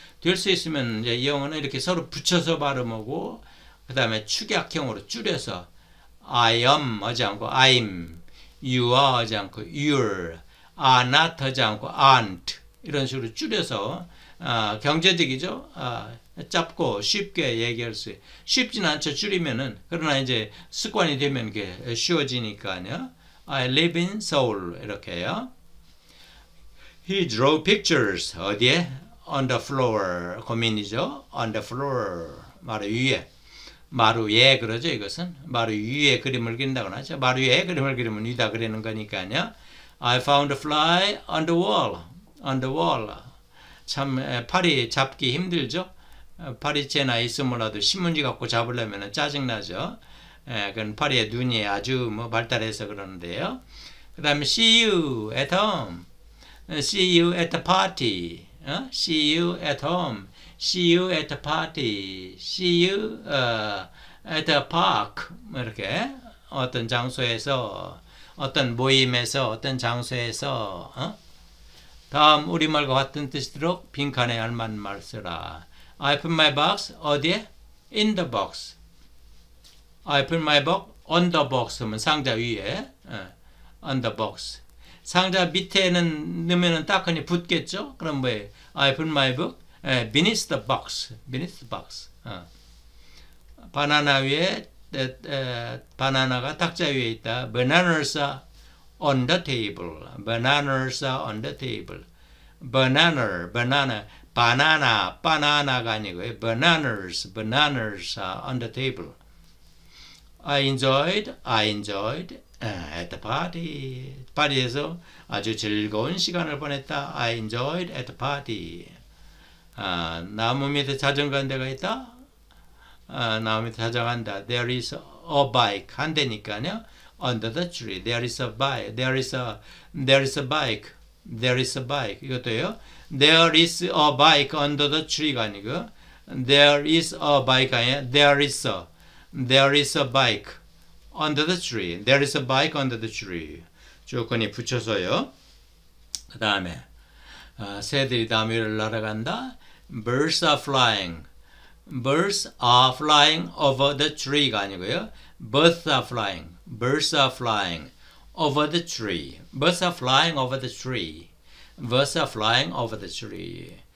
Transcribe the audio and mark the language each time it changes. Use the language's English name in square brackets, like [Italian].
[Korean] 될수 있으면, 이제 영어는 이렇게 서로 붙여서 발음하고, 그 다음에 축약형으로 줄여서, [English] I am [Korean] 하지 않고, I'm. [English] You are [Korean] 하지 않고, [English] You're. are not [Korean] 하지 않고 aren't 이런 식으로 줄여서 경제적이죠. 짧고 쉽게 얘기할 수 쉽진 않죠. 줄이면은 그러나 이제 습관이 되면 이게 쉬워지니까요. [English] I live in Seoul [Korean] 이렇게요. [English] He drew pictures [Korean] 어디에? [English] On the floor [Korean] 고민이죠. [English] On the floor [Korean] 마루 위에 그러죠. 이것은 마루 위에 그림을 그린다고나 하죠. 마루 위에 그림을 그리면 위다 그리는 거니까요. [English] I found a fly on the wall. On the wall. [Korean] 참, 파리 잡기 힘들죠? 파리채나 있으므라도 신문지 갖고 잡으려면 짜증나죠? 그건 파리의 눈이 아주 뭐 발달해서 그러는데요. 그 다음에, [English] see you at home. See you at the party. See you at home. See you at the party. See you at the park. [Korean] 이렇게 어떤 장소에서 어떤 모임에서 어떤 장소에서 다음 우리말과 같은 뜻이도록 빈칸에 알맞은 말 쓰라. [English] I put my box [Korean] 어디에? [English] In the box. I put my box on the box [Korean] 하면 상자 위에. [English] On the box. [Korean] 상자 밑에는 넣으면 따끔히 붙겠죠? 그럼 뭐예요? [English] I put my book beneath the box. Beneath the box. [Korean] 바나나 위에, 바나나가 탁자 위에 있다. [English] Bananas are on the table. Bananas are on the table. Banana, banana, banana, banana가 아니고요. Bananas, bananas are on the table. I enjoyed at the party. [Korean] 파티에서 아주 즐거운 시간을 보냈다. [English] I enjoyed at the party. [Korean] 나무 밑에 자전거 한 대가 있다. 나무 밑에 자전거 한다. [English] There is a bike [Korean] 한 대니까요. [English] Under the tree. There is a bike. There is a bike. There is a bike. [Korean] 이것도요. [English] There is a bike under the tree가 아니고 There is a bike 아니야. There is a bike under the tree. There is a bike under the tree. [Korean] 조건이 붙여서요. 그 다음에 새들이 나무 위를 날아간다. [English] Birds are flying. Birds are flying over the tree가 아니고요. Birds are flying. Birds are flying over the tree. Birds are flying over the tree. Birds are flying over the tree.